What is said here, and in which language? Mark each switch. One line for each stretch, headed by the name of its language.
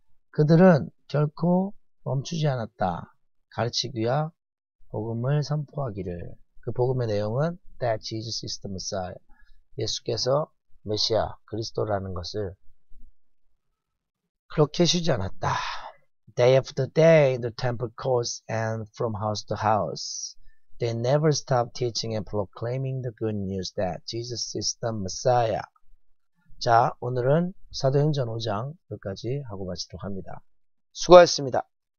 Korean: 그들은 결코 멈추지 않았다. 가르치기와 복음을 선포하기를. 그 복음의 내용은
English: that Jesus is the Messiah.
Korean: 예수께서 메시아, 그리스도라는 것을 그렇게 쉬지 않았다.
English: Day after day in the temple courts and from house to house, they never stopped teaching and proclaiming the good news that Jesus is the Messiah.
Korean: 자, 오늘은 사도행전 5장 여기까지 하고 마치도록 합니다. 수고하셨습니다.